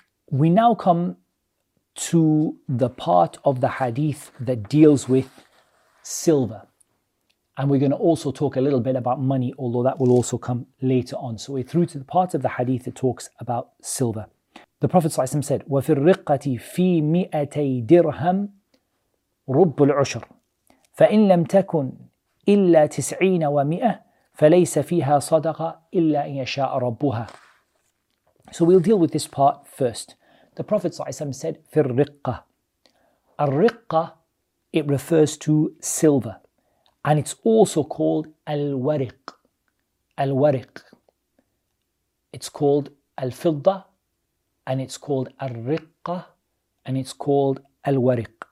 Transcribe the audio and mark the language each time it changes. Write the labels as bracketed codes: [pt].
[en] We now come to the part of the hadith that deals with silver. And we're going to also talk a little bit about money, although that will also come later on. So we're through to the part of the hadith that talks about silver. The Prophet ﷺ said, [ar] وَفِي الرِّقَّةِ فِي مِئَتَي دِرْهَمْ رُبُّ الْعُشْرِ فَإِنْ لَمْ تَكُنْ إِلَّا تِسْعِينَ وَمِئَةٍ فَلَيْسَ فِيهَا صَدَقَةٍ إِلَّا إِنْ يَشَاءَ رَبُّهَا. [en] So we'll deal with this part first. The Prophet ﷺ said, فِي الرِّقَّةِ. الرِّقَّة, it refers to silver. And it's also called al-wariq, al-wariq. It's called al-fidda, and it's called al-riqqa, and it's called al-wariq.